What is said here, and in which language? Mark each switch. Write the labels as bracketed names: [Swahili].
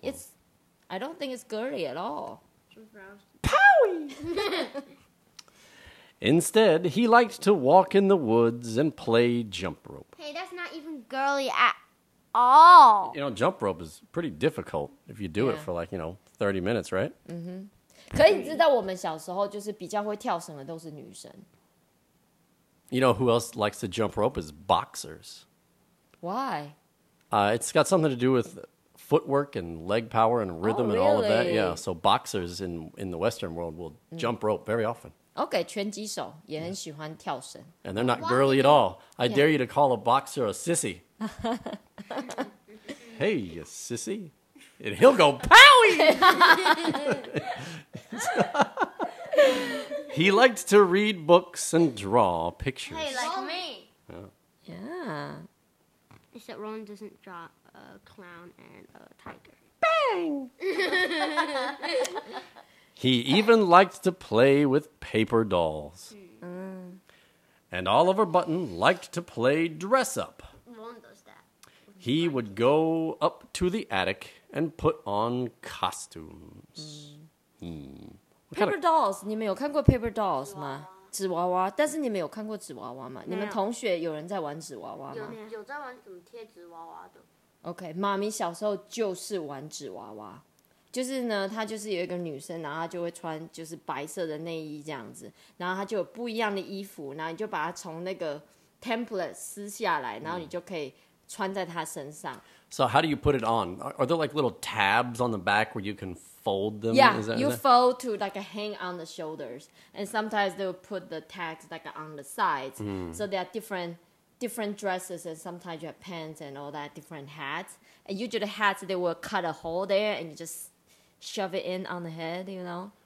[English] It's, I don't think it's girly at all. Powie! Instead, he liked to walk in the woods and play jump rope. Hey, that's not even girly at all. You know, jump rope is pretty difficult if you do it for like, you know, 30 minutes, right? [Chinese] Mm-hmm. 可以知道我们小时候就是比较会跳绳的都是女生。 [English] You know who else likes to jump rope is boxers. Why? It's got something to do with footwork and leg power and rhythm oh, and really? All of that. Yeah, so boxers in the Western world will jump rope very often. [Chinese] OK, 拳击手也很喜欢跳绳。 [English] And they're not girly at all. I dare you to call a boxer a sissy. Hey, you sissy. And he'll go, POWIE! He liked to read books and draw pictures. Hey, like me. Yeah. Except Ron doesn't draw a clown and a tiger. Bang! He even liked to play with paper dolls. Mm. And Oliver Button liked to play dress-up. Ron does that. He would go up to the attic and put on costumes. [Chinese] Mm. Mm. Paper dolls, 你们有看过 paper dolls 吗？纸娃娃，但是你们有看过纸娃娃吗？你们同学有人在玩纸娃娃吗？有在玩怎么贴纸娃娃的。 OK, 妈咪小时候就是玩纸娃娃。就是呢，她就是有一个女生，然后她就会穿就是白色的内衣这样子，然后她就有不一样的衣服，然后你就把它从那个 template 撕下来，然后你就可以穿在她身上。 [English] So how do you put it on? Are there like little tabs on the back where you can fold them? Yeah, you fold to like hang on the shoulders, and sometimes they'll put the tags like on the sides. So there are different dresses, and sometimes you have pants and all that, different hats. And usually the hats, they will cut a hole there, and you just... shove it in on the head, you know?